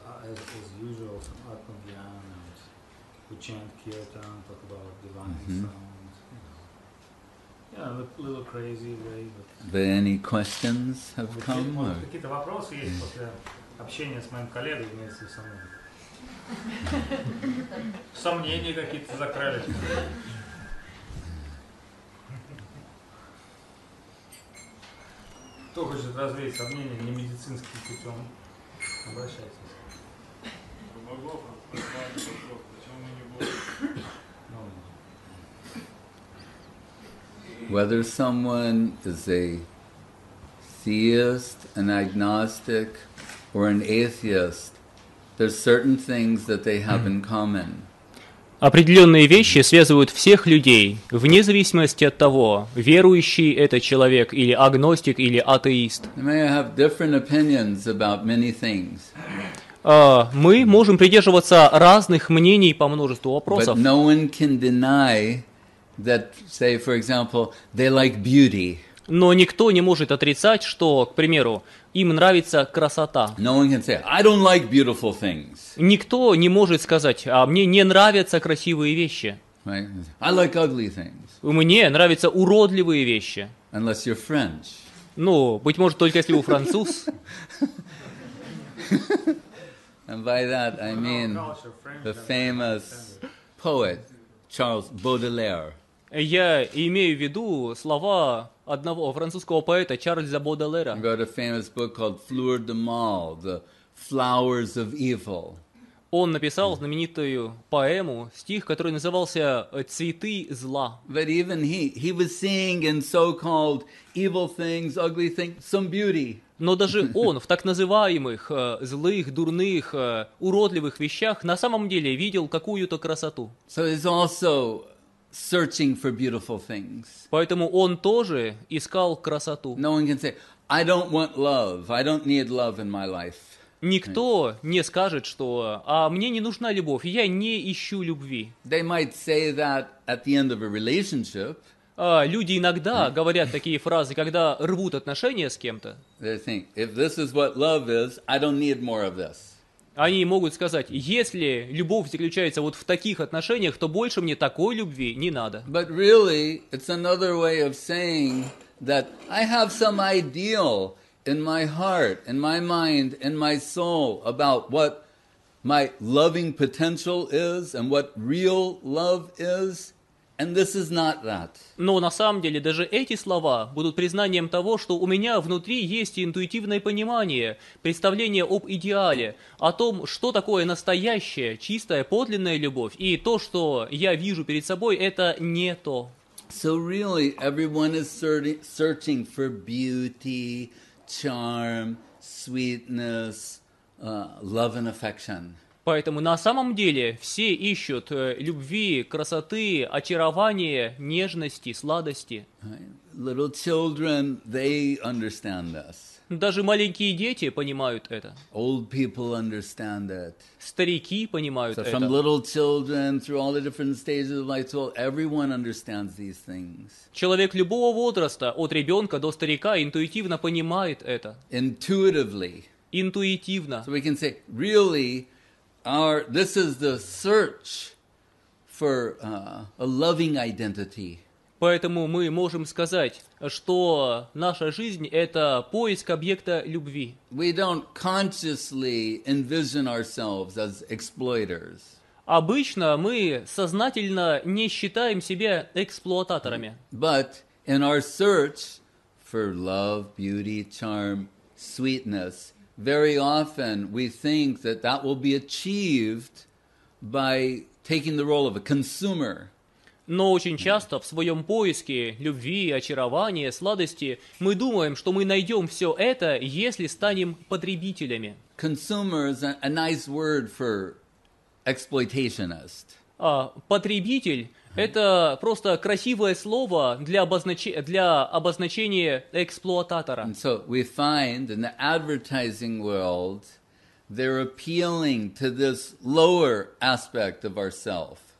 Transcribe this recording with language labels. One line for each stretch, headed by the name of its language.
English: as usual, some Atman Gyan, and we chant Kirtan, talk about divine sounds. You know, a little crazy way. There any questions have come?
Russian: Какие-то вопросы есть после общения с моим коллегой вместе со мной. Сомнения какие-то закрались. Кто хочет развеять сомнения не медицинским путем, обращайтесь. У богов отправляют вопрос, почему мы не будем?
English: Whether someone is a theist, an agnostic, or an atheist, there's certain things that they have in common.
Russian: Определенные вещи связывают всех людей, вне зависимости от того, верующий это человек или агностик или атеист.
English: May have different opinions about many things.
Russian: Мы можем придерживаться разных мнений по множеству вопросов.
English: But no one can deny that, say, for example, they like beauty.
Russian: Но никто не может отрицать, что, к примеру, им нравится красота.
English: No one can say, I don't like beautiful things.
Russian: Никто не может сказать, а мне не нравятся красивые вещи.
English: Right? I like ugly things.
Russian: Мне нравятся уродливые вещи.
English: Unless you're French.
Russian: Ну, быть может, только если вы француз.
English: And by that I mean the famous poet Charles Baudelaire.
Russian: Я имею в виду слова одного французского поэта Чарльза Бодлера.
English: He wrote a famous book called Fleur de Mal, The Flowers of Evil.
Russian: Он написал знаменитую поэму, стих, который назывался «Цветы зла».
English: But even he was seeing in so-called evil things, ugly things, some beauty.
Russian: Но даже он в так называемых злых, дурных, уродливых вещах на самом деле видел какую-то красоту.
English: So he's also searching for beautiful things.
Russian: Поэтому он тоже искал красоту.
English: No one can say, I don't want love. I don't need love in my life.
Russian: Никто не скажет, что, а мне не нужна любовь. Я не ищу любви.
English: They might say that at the end of a relationship.
Russian: Люди иногда говорят такие фразы, когда рвут отношения с кем-то.
English: They think, if this is what love is, I don't need more of this.
Russian: Они могут сказать, если любовь заключается вот в таких отношениях, то больше мне такой любви не надо.
English: But really, it's another way of saying that I have some ideal in my heart, in my mind, in my soul about what my loving potential is and what real love is. And this is not that.
Russian: Но на самом деле даже эти слова будут признанием того, что у меня внутри есть интуитивное понимание, представление об идеале, о том, что такое настоящая, чистая, подлинная любовь, и то, что я вижу перед собой, это не то.
English: So really, everyone is searching for beauty, charm, sweetness, love and affection.
Russian: Поэтому на самом деле все ищут любви, красоты, очарования, нежности, сладости.
English: Little children, they understand this.
Russian: Даже маленькие дети понимают это.
English: Old people understand it.
Russian: Старики понимают
English: so
Russian: это.
English: From little children through all the different stages of life, well, everyone understands these things.
Russian: Человек любого возраста, от ребенка до старика, интуитивно понимает это.
English: Intuitively.
Russian: Интуитивно.
English: So we can say, really, this is the search for a loving identity.
Russian: Поэтому мы можем сказать, что наша жизнь – это поиск объекта любви.
English: We don't consciously envision ourselves as exploiters.
Russian: Обычно мы сознательно не считаем себя эксплуататорами.
English: But in our search for love, beauty, charm, sweetness, very often we think that that will be achieved by taking the role of a consumer.
Russian: Но очень часто в своем поиске любви, очарования, сладости мы думаем, что мы найдем все это, если станем потребителями.
English: Consumer is a nice word for exploitationist.
Russian: Потребитель – это просто красивое слово для обозначения эксплуататора.
English: And so we find in the advertising world, they're appealing to this lower aspect of ourself.